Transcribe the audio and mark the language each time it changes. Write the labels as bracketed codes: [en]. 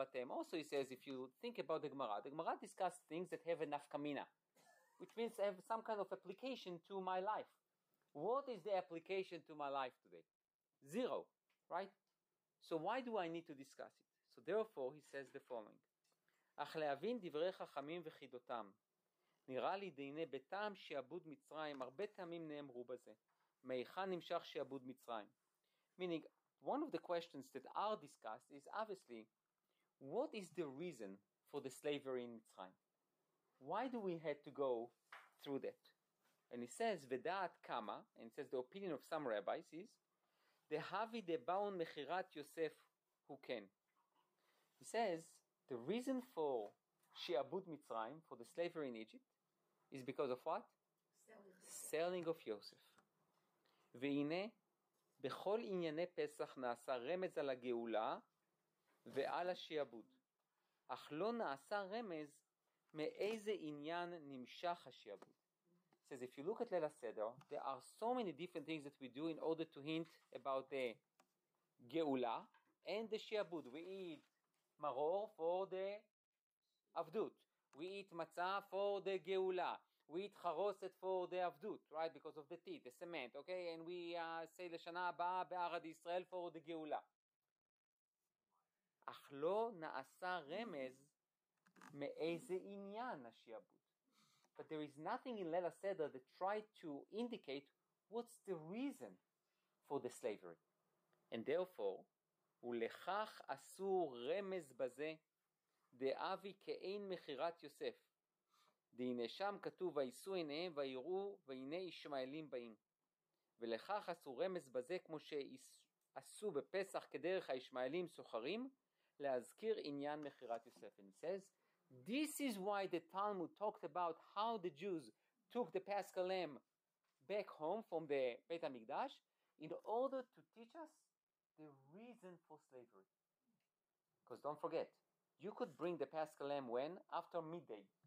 [en] Also, he says, if you think about the Gemara discusses things that have a nafkamina, which means have some kind of application to my life. What is the application to my life today? Zero, right? So why do I need to discuss it? So therefore, he says the following. [he] אך להבין דברי חכמים וחידותם, נראה לי דהנה בטעם שיעבוד מצרים, הרבה טעמים נאמרו בזה, מאיכן נמשך שיעבוד מצרים. [en] Meaning, one of the questions that are discussed is obviously, what is the reason for the slavery in Mitzrayim? Why do we have to go through that? And he says, [he] V'da'at kama, [en] and he says the opinion of some rabbis is, [he] De'havi de'baon mechirat Yosef hu ken. [en] He says, the reason for Shi'abud Mitzrayim, for the slavery in Egypt, is because of what? Selling of Yosef. [he] Ve'ine, בכל ענייני פסח נעשה רמז על הגאולה ועל השיעבוד. אך לא נעשה רמז מאיזה עניין נמשך השיעבוד. [en] It says, if you look at Leila Seder, there are so many different things that we do in order to hint about the geula and the shiabud. We eat maror for the avdut. We eat matzah for the geula. We eat charoset for the avdut, right? Because of the teeth, the cement, okay? And we say [he] l'shana ba'a be'arad Yisrael [en] for the geula. [he] אך לא נעשה רמז מאיזה עניין השיעבוד. [en] But there is nothing in Leila Seder that tried to indicate what's the reason for the slavery. And therefore, [he] ולכך עשו רמז בזה דאבי כאין מחירת יוסף. דהנה שם כתוב ועשו עיניהם ויראו והנה ישמעאלים באים. ולכך עשו רמז בזה כמו שעשו בפסח כדרך הישמעאלים סוחרים, להזכיר עניין מחירת יוסף. [en] And he says, this is why the Talmud talked about how the Jews took the Paschal lamb back home from the Beit HaMikdash in order to teach us the reason for slavery. Because don't forget, you could bring the Paschal lamb when? After midday.